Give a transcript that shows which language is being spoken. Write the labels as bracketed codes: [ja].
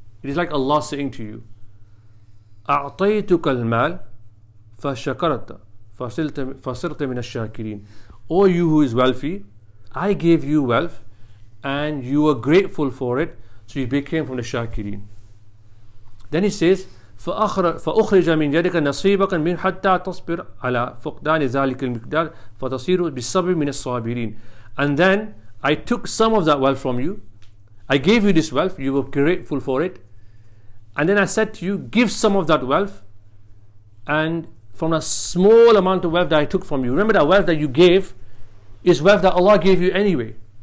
[en] It is like Allah saying to you, أَعْطَيْتُكَ الْمَالِ فَشَكَرَتَ فَصِرْتَ مِنَ الشَّاكِرِينَ. O you who is wealthy, I gave you wealth and you were grateful for it, so you became from the Shakirin. [ar] Then he says, فَأُخْرِجَ مِنْ يَدِكَ نَصِيبَكَ مِنْ حَتَّى تَصْبِرْ عَلَىٰ فُقْدَانِ ذَلِكَ الْمِقْدَارِ فَتَصِيرُ بِالصَّبْرِ مِنَ الصَّابِرِينَ. [en] And then I took some of that wealth from you. I gave you this wealth, you were grateful for it. And then I said to you, give some of that wealth. And from a small amount of wealth that I took from you, remember that wealth that you gave is wealth that Allah gave you anyway.